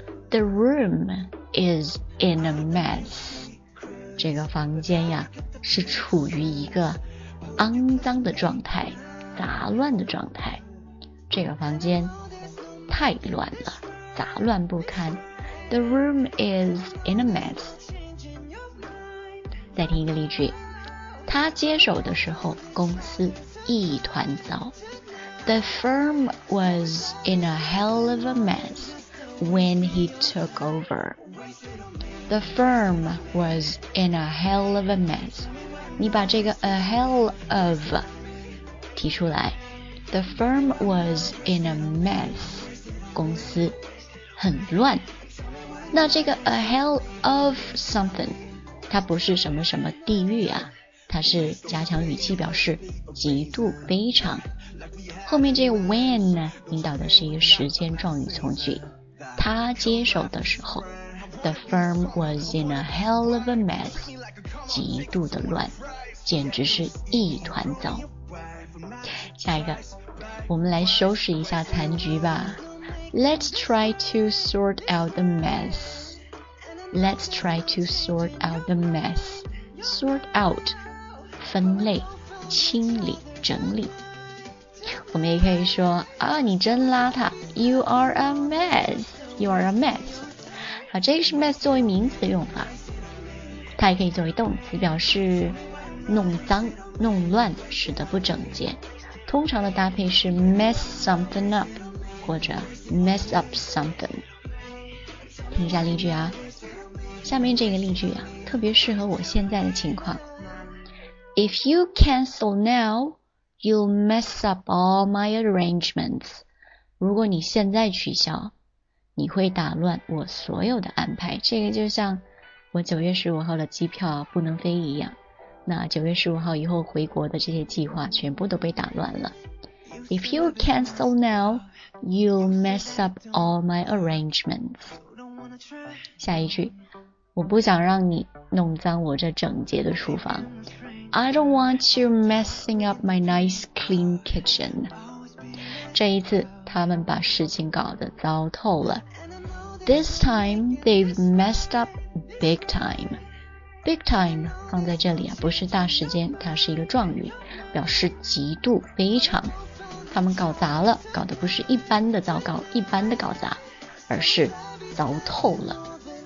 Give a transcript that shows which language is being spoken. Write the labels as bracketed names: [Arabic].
[English] The room is in a mess， [Chinese] 这个房间呀是处于一个肮脏的状态，杂乱的状态。这个房间太乱了，杂乱不堪。 [English] The room is in a mess。 [Chinese] 再听一个例句，他接手的时候公司一团糟。 [English] The firm was in a hell of a mess when he took over. The firm was in a hell of a mess。 [Chinese] 你把这个 a hell of 提出来。 [English] The firm was in a mess， [Chinese] 公司很乱。那这个 [English] a hell of something， [Chinese] 它不是什么什么地狱啊，它是加强语气表示极度非常。后面这个 when 引导的是一个时间状语从句，他接手的时候 [English] The firm was in a hell of a mess， [Chinese] 极度的乱，简直是一团糟。下一个，我们来收拾一下残局吧。 [English] Let's try to sort out the mess. Let's try to sort out the mess. [Chinese] Sort out 分类清理整理。我们也可以说啊，你真邋遢， [English] You are a mess. You are a mess. [Chinese] 好，这个是 mess 作为名词用法，它也可以作为动词，表示弄脏弄乱，使得不整洁。通常的搭配是 [English] mess something up [Chinese] 或者 [English] mess up something。 [Chinese] 听一下例句啊，下面这个例句啊特别适合我现在的情况。 [English] If you cancel now you'll mess up all my arrangements， [Chinese] 如果你现在取消你会打乱我所有的安排。这个就像我9月15号的机票不能飞一样，那9月15号以后回国的这些计划全部都被打乱了。 [English] If you cancel now you'll mess up all my arrangements。 [Chinese] 下一句，我不想让你弄脏我这整洁的厨房。 [English] I don't want you messing up my nice clean kitchen。 [Chinese] 这一次他们把事情搞得糟透了。 [English] This time they've messed up big time。 [Chinese] Big time 放在这里啊，不是大时间，它是一个状语，表示极度非常。他们搞砸了，搞得不是一般的糟糕，一般的搞砸，而是糟透了。